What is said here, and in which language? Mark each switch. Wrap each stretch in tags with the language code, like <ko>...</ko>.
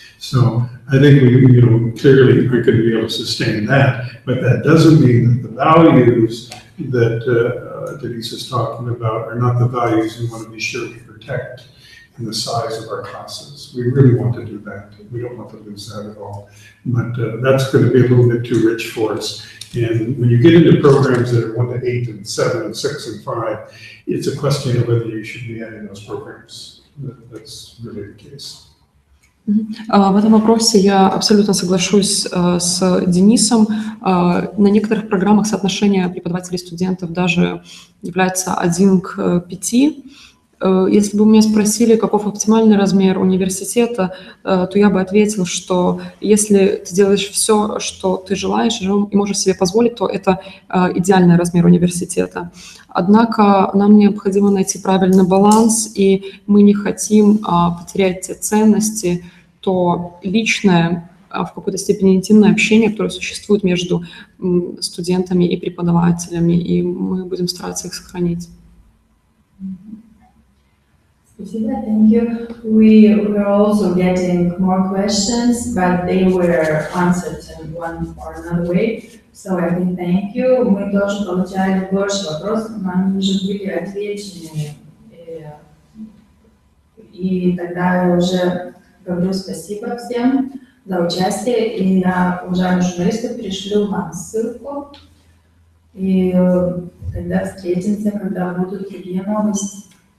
<en>So I think we, you know, clearly aren't going to be able to sustain that, but that doesn't mean that the values that Denise is talking about are not the values we want to be sure we protect in the size of our classes. We really want to do that. We don't want to lose that at all. But that's going to be a little bit too rich for us. And when you get into programs that are 1-to-8 and 7 and 6 and 5, it's a question of whether you should be adding those programs. That's really the case.</en> <ru>В этом вопросе я абсолютно соглашусь с Денисом. На некоторых программах соотношение преподавателей и студентов даже является 1-к 5. Если бы меня спросили, каков оптимальный размер университета, то я бы ответил, что если ты делаешь все, что ты желаешь и можешь себе позволить, то это идеальный размер университета. Однако нам необходимо найти правильный баланс, и мы не хотим потерять те ценности, то личное, в какой-то степени интимное общение, которое существует между студентами и преподавателями, и мы будем стараться их сохранить. Спасибо,</ru> <en>thank you. We were also getting more questions, but they were answered in one or another way. So I think thank you.</en> <ru>Мы тоже получали больше вопросов, но они уже были отвечены. И тогда уже говорю спасибо всем за участие, и я, уважаемые журналисты, пришлю вам ссылку, и тогда встретимся, когда будут другие новости.</ru>